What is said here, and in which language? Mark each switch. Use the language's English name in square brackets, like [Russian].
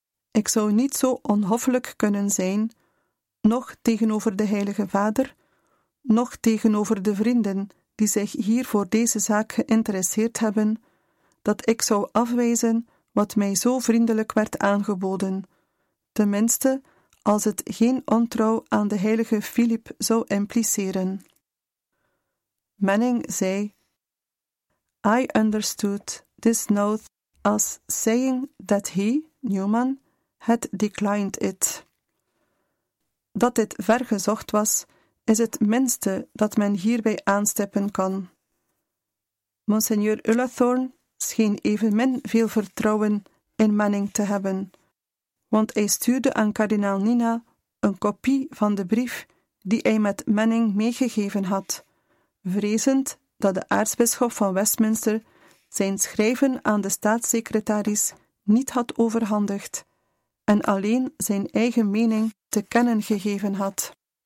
[Dutch] Ik zou niet zo onhoffelijk kunnen zijn, nog tegenover de Heilige Vader, nog tegenover de vrienden die zich hier voor deze zaak geïnteresseerd hebben, dat ik zou afwijzen wat mij zo vriendelijk werd aangeboden, tenminste als het geen ontrouw aan de heilige Philip zou impliceren. [English] Manning [Dutch] zei, [English] I understood this note as saying that he, Newman, had declined it. [Dutch] Dat dit vergezocht was, is het minste dat men hierbij aanstippen kan. Monseigneur Ullathorne scheen evenmin veel vertrouwen in Manning te hebben, want hij stuurde aan kardinaal Nina een kopie van de brief die hij met Manning meegegeven had, vrezend dat de aartsbisschop van Westminster zijn schrijven aan de staatssecretaris niet had overhandigd en alleen zijn eigen mening te kennen gegeven had.